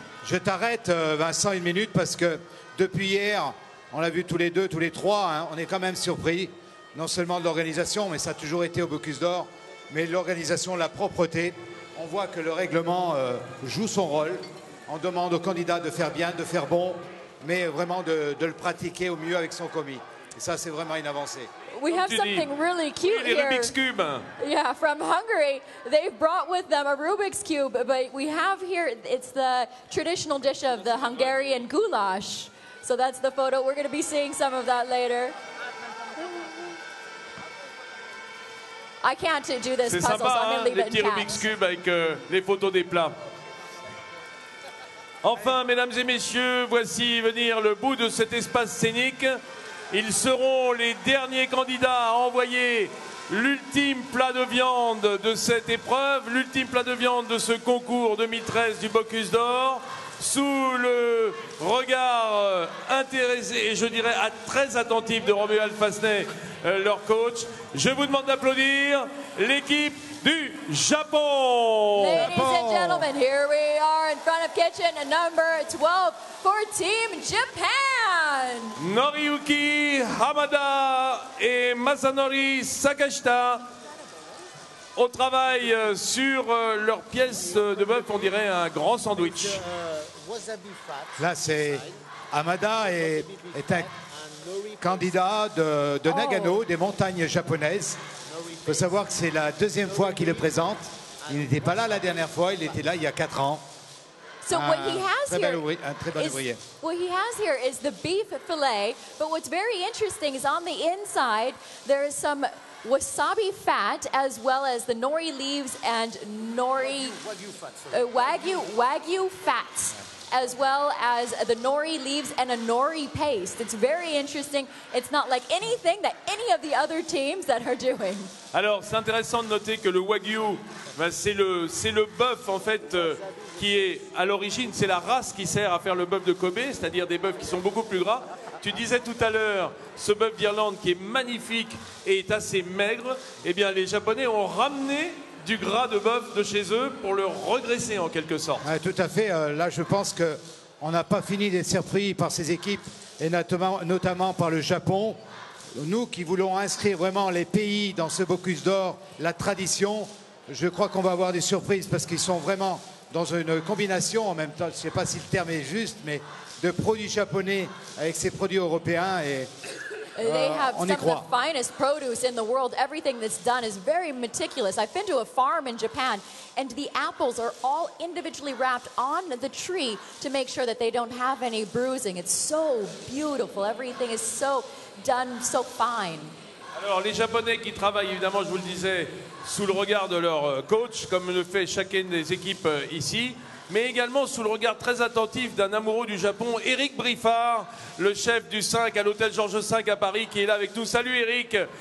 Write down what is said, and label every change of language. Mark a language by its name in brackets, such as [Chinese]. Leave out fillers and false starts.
[French] Je t'arrête, Vincent, une minute, parce que depuis hier, on l'a vu tous les deux, tous les trois, hein, on est quand même surpris, non seulement de l'organisation, mais ça a toujours été au Bocuse d'Or, mais l'organisation, la propreté. On voit que le règlement joue son rôle. On demande aux candidats de faire bien, de faire bon, mais vraiment de le pratiquer au mieux avec son commis. Et ça, c'est vraiment une avancée. [English] We have something really cute here. Rubik's cube. Yeah, from Hungary. They've brought with them a Rubik's cube, but we have here, it's the traditional dish of the Hungarian goulash. So that's the photo. We're going to be seeing some of that later. I can't do this [French] c'est puzzle, sympa, [English] so I'm going to leave it intact. Rubik's cube [French] avec les photos des plats. Enfin, mesdames et messieurs, voici venir le bout de cet espace scénique. Ils seront les derniers candidats à envoyer l'ultime plat de viande de cette épreuve, l'ultime plat de viande de ce concours 2013 du Bocuse d'Or, sous le regard intéressé et je dirais très attentif de Romuald Fasnay, leur coach. Je vous demande d'applaudir l'équipe du Japon. [English] Ladies and gentlemen, here we are in front of kitchen number 12 for Team Japan. [French] Noriyuki Hamada et Masanori Sakashita au travail sur leur pièce de bœuf, on dirait un grand sandwich. Là, c'est Hamada est un candidat de Nagano, des montagnes japonaises. Il faut savoir que c'est la deuxième fois qu'il le présente. Il n'était pas là la dernière fois, il était là il y a 4 ans. [English] So what he has [French] très bel ouvrier, un très bon ouvrier. [English] What he has here is the beef fillet, but what's very interesting is on the inside there is some wasabi fat as well as the nori leaves and nori wagyu fat as well as the nori leaves and a nori paste. It's very interesting. It's not like anything that any of the other teams that are doing. [French] Alors, c'est intéressant de noter que le wagyu, ben c'est le bœuf en fait qui est à l'origine, c'est la race qui sert à faire le bœuf de Kobe, c'est-à-dire des bœufs qui sont beaucoup plus gras. Tu disais tout à l'heure, ce bœuf d'Irlande qui est magnifique et est assez maigre, eh bien les Japonais ont ramené du gras de bœuf de chez eux pour le regraisser en quelque sorte. Ouais, tout à fait, là je pense qu'on n'a pas fini d'être surpris par ces équipes et notamment par le Japon. Nous qui voulons inscrire vraiment les pays dans ce Bocuse d'Or, la tradition, je crois qu'on va avoir des surprises parce qu'ils sont vraiment dans une combinaison, en même temps, je ne sais pas si le terme est juste, mais de produits japonais avec ces produits européens et [English] they have [French] on [English] some [French] y croit. [English] Of the finest produce in the world. Everything that's done is very meticulous. I've been to a farm in Japan and the apples are all individually wrapped on the tree to make sure that they don't have any bruising. It's so beautiful. Everything is so done so fine. [French] Alors les Japonais qui travaillent évidemment, je vous le disais, sous le regard de leur coach, comme le fait chacune des équipes ici, mais également sous le regard très attentif d'un amoureux du Japon, Eric Briffard, le chef du 5 à l'hôtel Georges V à Paris, qui est là avec nous. Salut Eric.